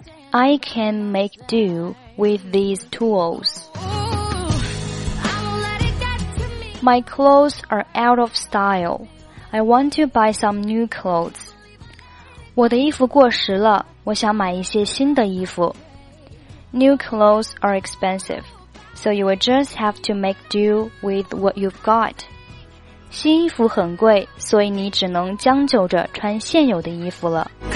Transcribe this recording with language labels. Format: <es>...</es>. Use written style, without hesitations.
<en>I can make do with these tools. My clothes are out of style. I want to buy some new clothes.</en> <zh>我的衣服过时了，我想买一些新的衣服。</zh> <en>New clothes are expensive, so you will just have to make do with what you've got.</en> <zh>新衣服很贵，所以你只能将就着穿现有的衣服了。</zh>